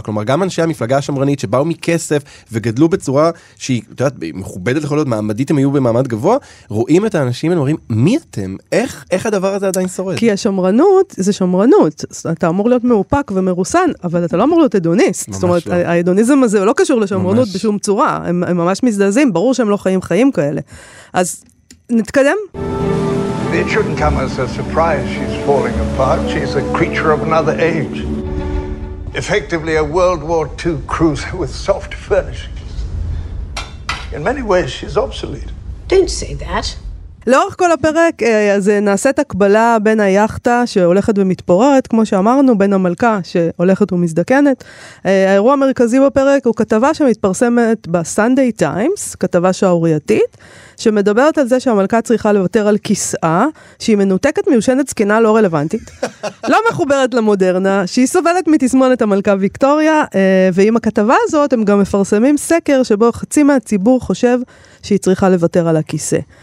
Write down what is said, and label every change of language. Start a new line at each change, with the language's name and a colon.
Hebrew: כלומר, גם אנשי המפלגה השמרנית שבאו מכסף וגדלו בצורה שהיא, את יודעת, מכובדת לכל עוד, מעמדית הם היו במעמד גבוה, רואים את האנשים ואומרים, מי אתם? איך הדבר הזה עדיין שורד? כי השמרנות זה שמרנות. אתה אמור להיות מאופק ומרוסן, אבל אתה לא אמור להיות אדוניסט. זאת אומרת, האדוניזם הזה לא קשור לשמרנות בשום צורה. הם ממש מזדעזים, ברור שהם לא חיים חיים כאלה. אז נתקדם.
English: It shouldn't come as a surprise she's falling apart. She's a creature of another age. Effectively a World War II cruiser with soft furnishings. In many ways she's obsolete. Don't say that.
Hebrew: לאורך כל הפרק הזה נעשית הקבלה בין היחטה שהולכת ומתפוררת, כמו שאמרנו, בין המלכה שהולכת ומזדקנת. האירוע המרכזי בפרק הוא כתבה שמתפרסמת בסנדיי טיימס, כתבה שעורייתית, שמדברת על זה שהמלכה צריכה לוותר על כיסאה, שהיא מנותקת מיושנת זקנה לא רלוונטית, לא מחוברת למודרנה, שהיא סובלת מתסמונת המלכה ויקטוריה, ועם הכתבה הזאת הם גם מפרסמים סקר שבו חצי מהציבור חושב שהיא צריכה לוותר על הכיסא.